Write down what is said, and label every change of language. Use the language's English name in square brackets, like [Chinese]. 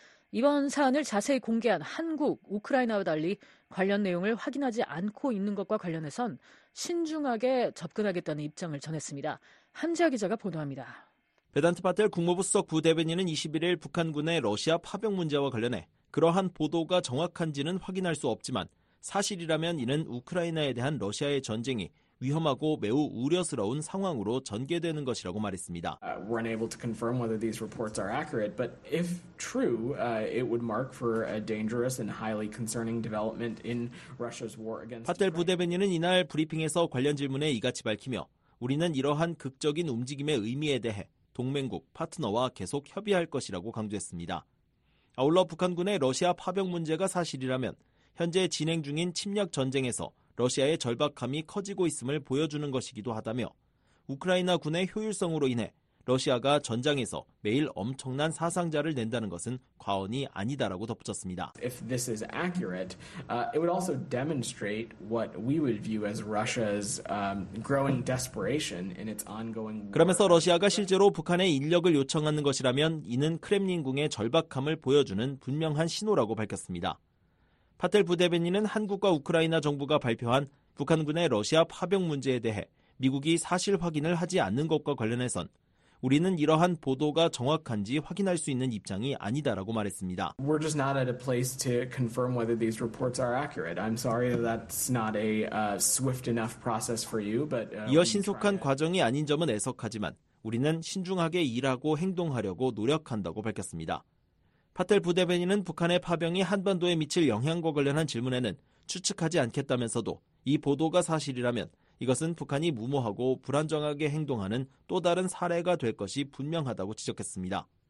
[Korean] 이번 사안을 자세히 공개한 한국, 우크라이나와 달리 관련 내용을 확인하지 않고 있는 것과 관련해선 신중하게 접근하겠다는 입장을 전했습니다. 한지아 기자가 보도합니다. 베단트 파텔 국무부 수석 부대변인은 21일 북한군의 러시아 파병 문제와 관련해 그러한 보도가 정확한지는 확인할 수 없지만 사실이라면 이는 우크라이나에 대한 러시아의 전쟁이 위험하고 매우 우려스러운 상황으로 전개되는 것이라고 말했습니다. [English] We're unable to confirm whether these reports are accurate, but if true, it would mark for a dangerous and highly concerning development in Russia's war against. [Korean] 파텔 부대변인은 이날 브리핑에서 관련 질문에 이같이 밝히며 우리는 이러한 극적인 움직임의 의미에 대해 동맹국 파트너와 계속 협의할 것이라고 강조했습니다. 아울러 북한군의 러시아 파병 문제가 사실이라면 현재 진행 중인 침략 전쟁에서 러시아의 절박함이 커지고 있음을 보여주는 것이기도 하다며 우크라이나 군의 효율성으로 인해 러시아가 전장에서 매일 엄청난 사상자를 낸다는 것은 과언이 아니다라고 덧붙였습니다. [English] If this is accurate, it would also demonstrate what we would view as Russia's growing desperation in its ongoing war. [Korean] 그러면서 러시아가 실제로 북한의 인력을 요청하는 것이라면 이는 크렘린궁의 절박함을 보여주는 분명한 신호라고 밝혔습니다. 파텔 부대변인은 한국과 우크라이나 정부가 발표한 북한군의 러시아 파병 문제에 대해 미국이 사실 확인을 하지 않는 것과 관련해선 우리는 이러한 보도가 정확한지 확인할 수 있는 입장이 아니다라고 말했습니다. [English] We're just not at a place to confirm whether these reports are accurate. I'm sorry that's not a swift enough process for you, but [Korean] 이어 신속한 과정이 아닌 점은 애석하지만 우리는 신중하게 일하고 행동하려고 노력한다고 밝혔습니다. 파텔 부대변인은 북한의 파병이 한반도에 미칠 영향과 관련한 질문에는 추측하지 않겠다면서도 이 보도가 사실이라면 이것은 북한이 무모하고 불안정하게 행동하는 또 다른 사례가 될 것이 분명하다고 지적했습니다.